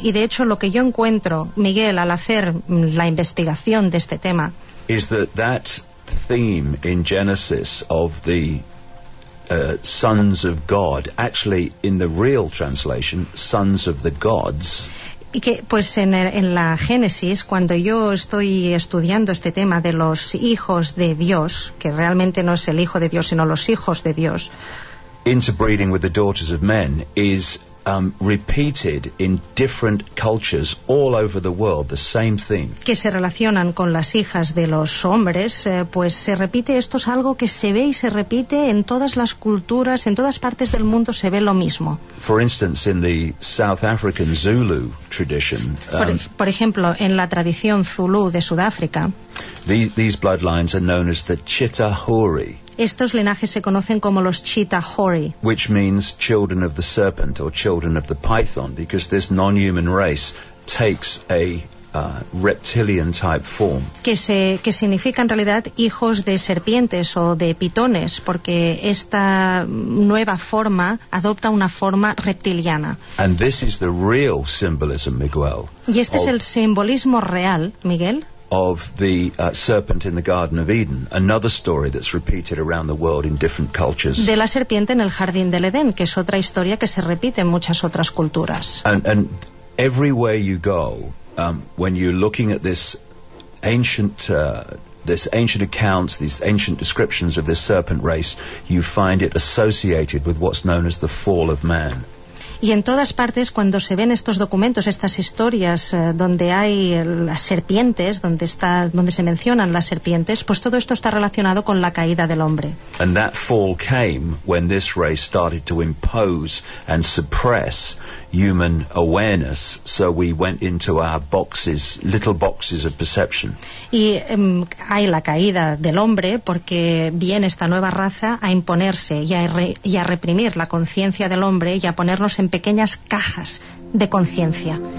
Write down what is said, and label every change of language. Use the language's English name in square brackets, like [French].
[Spanish] Y de hecho, lo que yo encuentro, Miguel, al hacer la investigación de este tema... [English] is that that theme in Genesis of the sons of God, actually, in the real translation, sons of the gods... [Spanish] Y que, pues en la Génesis, cuando yo estoy estudiando este tema de los hijos de Dios, que realmente no es el hijo de Dios, sino los hijos de Dios. [English] Interbreeding with the daughters of men is repeated in different cultures all over the world, the same thing. [Spanish] Que se relacionan con las hijas de los hombres, pues se repite, esto es algo que se ve y se repite en todas las culturas, en todas partes del mundo se ve lo mismo. [English] For instance, in the South African Zulu tradition, [Spanish] por ejemplo, en la tradición Zulu de Sudáfrica, [English] these bloodlines are known as the Chitahori. [Spanish] Estos linajes se conocen como los Chitahori, [English] which means children of the serpent or children of the python, because this non-human race takes a reptilian type form. [Spanish] Que significa en realidad hijos de serpientes o de pitones, porque esta nueva forma adopta una forma reptiliana. [English] And this is the real symbolism, Miguel. [Spanish] Y este es el simbolismo real, Miguel. [English] Of the serpent in the Garden of Eden, another story that's repeated around the world in different cultures. [Spanish] De la serpiente en el jardín del Edén, que es otra historia que se repite en muchas otras culturas. [English] And everywhere you go, when you're looking at this ancient accounts, these ancient descriptions of this serpent race, you find it associated with what's known as the fall of man. [Spanish] Y en todas partes, cuando se ven estos documentos, estas historias donde hay las serpientes, donde se mencionan las serpientes, pues todo esto está relacionado con la caída del hombre. [English] And that fall came when this race started to impose and suppress human awareness, so we went into our boxes, little boxes of perception. [Spanish] Y hay la caída del hombre porque viene esta nueva raza a imponerse y a reprimir la conciencia del hombre y a ponernos en pequeñas cajas de conciencia.